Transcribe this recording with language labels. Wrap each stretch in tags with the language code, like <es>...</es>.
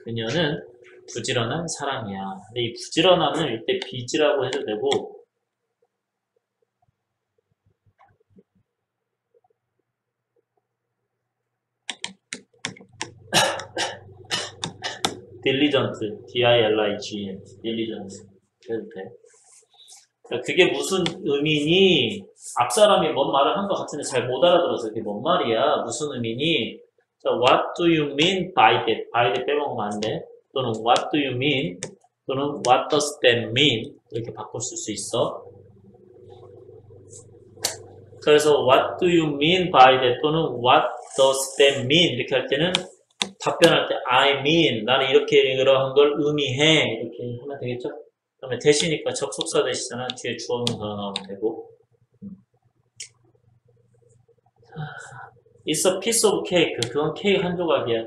<ko>그녀는 부지런한 사람이야. 근데 이 부지런함은 이때 busy라고 해도 되고, 딜리전트, DILIGENT, 딜리전트 해도 돼. 그게 무슨 의미니? 앞사람이 뭔 말을 한것 같은데 잘못 알아들어서 그게 뭔 말이야? 무슨 의미니?</ko> <en>자, What do you mean by that? by that</en> <ko>빼먹으면 안 돼. 또는</ko> <en>What do you mean? 또는 What does that mean?</en> <ko>이렇게 바꿀 수 있어. 그래서</ko> <en>What do you mean by that?</en> <ko>또는</ko> <en>What does that mean?</en> <ko>이렇게 할 때는 답변할 때</ko> <en>I mean</en> <ko>나는 이렇게 이러한 걸 의미해 이렇게 하면 되겠죠? 그러면 대시니까 접속사 대시잖아. 뒤에 주어문서가 나오면 되고.</ko> <en>It's a piece of cake.</en> <ko>그건 케이크 한 조각이야.</ko>